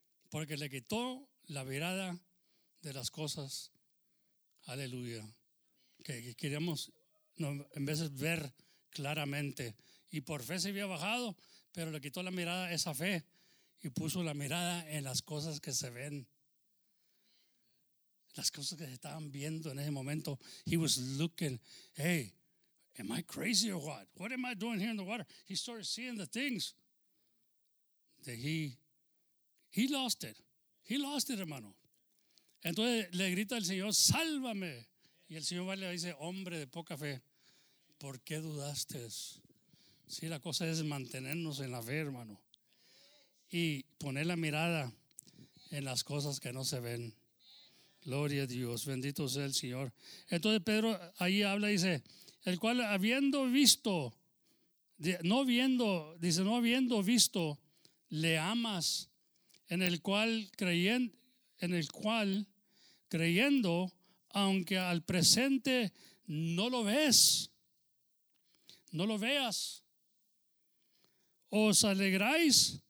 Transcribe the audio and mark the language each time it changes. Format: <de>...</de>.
<es>Porque le quitó la mirada de las cosas. Aleluya. Que queríamos en vez de ver claramente. Y por fe se había bajado, pero le quitó la mirada a esa fe y puso la mirada en las cosas que se ven. Las cosas que se estaban viendo en ese momento.</es> <en>He was looking, hey, am I crazy or what? What am I doing here in the water? He started seeing the things that he lost it. He lost it,</en> <es>hermano. Entonces le grita al Señor, sálvame. Y el Señor le dice, hombre de poca fe, ¿por qué dudaste? Sí, la cosa es mantenernos en la fe, hermano. Y poner la mirada en las cosas que no se ven. Gloria a Dios, bendito sea el Señor. Entonces Pedro ahí habla y dice, el cual habiendo visto, no habiendo visto, le amas, en el cual creyendo, aunque al presente no lo ves, no lo veas, os alegráis.</es>